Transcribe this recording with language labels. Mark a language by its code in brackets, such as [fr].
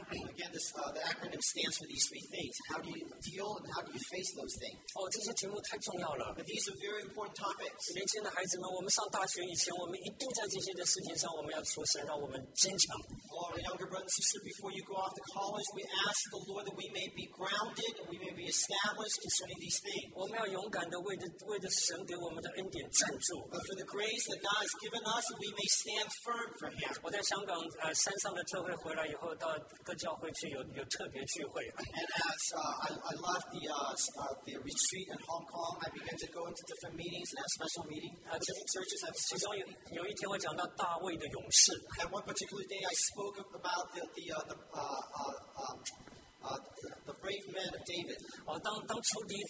[en] ？Again, the acronym stands for these three things. How do you deal and how do you face those things? [zh] 哦，这些题目太重要了。But [en] these are very important topics. [zh] 年轻的孩子们，我们上大学以前，我们一度在这些的事情上，我们要求神让我们坚强。 [en] Our younger brothers and sisters, before you go off to college, we ask the Lord that we may be grounded, we may be established concerning these things. [zh] 我们要勇敢地为着神给我们的恩典站住。 [en] But for the grace that God has given us, we may stand firm for Him. [zh] 我在香港山上的特会回来以后，到各教会去有特别聚会。 [en] And as I left the retreat in Hong Kong, I began to go into different meetings and have special meetings. Different churches have special meetings. [zh] 其中有一天我讲到大卫的勇士。 [en] And one particular day, I spoke about the brave men of David.